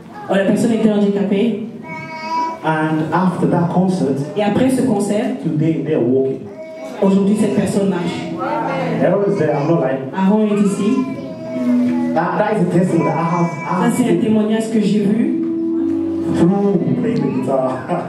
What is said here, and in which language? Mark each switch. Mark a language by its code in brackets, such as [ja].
[fr] La personne était handicapée. [en] And after that concert. [fr] Et après ce concert. [en] Today they are walking. [fr] Aujourd'hui, cette personne marche. [en] Aaron is there, I'm not lying. [fr] Aaron est ici. [en] That is a testimony that I have. [fr] Ça, c'est un témoignage que j'ai vu. [en] Through playing the guitar.